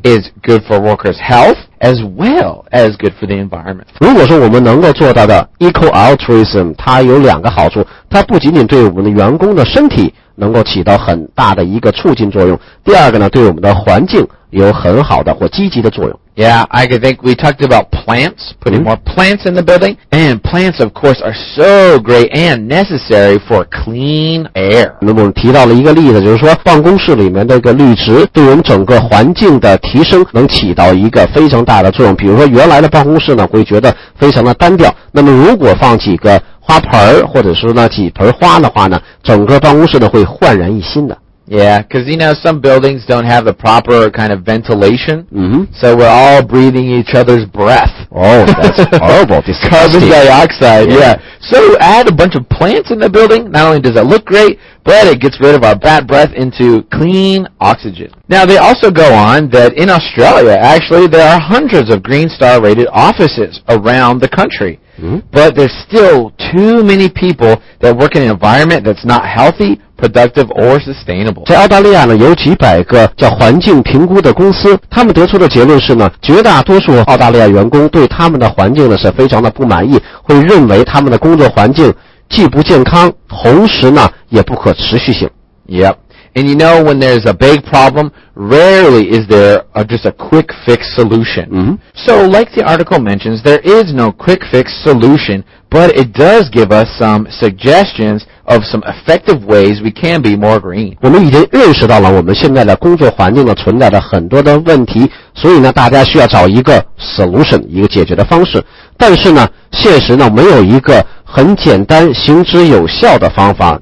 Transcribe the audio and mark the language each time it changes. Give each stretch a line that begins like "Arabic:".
English: is good for workers' health as well as good for the environment.
Chinese: 如果说我们能够做到的 eco-altruism, 它有两个好处，它不仅仅对我们的员工的身体能够起到很大的一个促进作用，第二个呢，对我们的环境有很好的或积极的作用。
English: Yeah, I think we talked about plants, putting、mm-hmm. more plants in the building. And plants, of course, are so great and necessary for clean air.
Chinese: 那么我们提到了一个例子，就是说办公室里面的一个绿植对我们整个环境的提升能起到一个非常大的作用。比如说原来的办公室呢会觉得非常的单调，那么如果放几个花盆或者说呢几盆花的话呢，整个办公室呢会焕然一新的。
English: Yeah, because you know, some buildings don't have the proper kind of ventilation,、 mm-hmm. so we're all breathing each other's breath. Oh, that's horrible, disgusting. Carbon dioxide, yeah. So add a bunch of plants in the building, not only does it look great, but it gets rid of our bad breath into clean oxygen. Now, they also go on that in Australia, actually, there are hundreds of Green Star rated offices around the country. But there's still too many people that work in an environment that's not healthy, productive, or sustainable.
Chinese: 在澳大利亚呢，有几百个叫环境评估的公司，他们得出的结论是呢，绝大多数澳大利亚员工对他们的环境呢是非常的不满意，会认为他们的工作环境既不健康，同时呢也不可持续性。
English: Yep. And you know, when there's a big problem, rarely is there just a quick fix solution. Mm-hmm. So like the article mentions, there is no quick fix solution, but it does give us some suggestions of some effective ways we can be more green.
Chinese: 我们已经认识到了我们现在的工作环境的存在的很多的问题，所以呢大家需要找一个 solution, 一个解决的方式。但是呢现实呢没有一个很简单行之有效的方法。